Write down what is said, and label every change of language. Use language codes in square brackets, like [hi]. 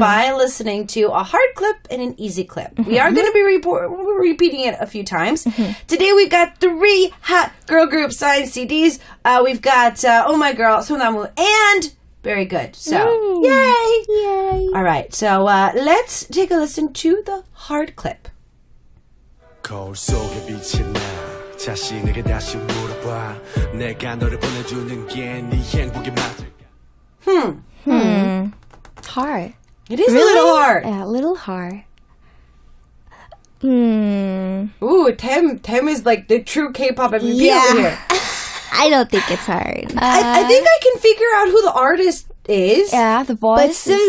[en] by listening to a hard clip and an easy clip. Uh-huh. We are going to be repeating it a few times. Uh-huh. Today we've got three hot girl group signed CDs. We've got Oh My Girl, Sonamu, and Very Good. So, yay! All right. So, let's take a listen to the hard clip. [ko] 거울 속에 비친 나 자신에게 다시 물어봐 내가 너를 보내주는 게 네 행복이 맞을까? [en] Hard. It is really? A little hard. Yeah, a little hard. Ooh, Tem is like the true K-pop MVP over here. I don't think it's hard. I think I can figure out who the artist is. Yeah, the voice.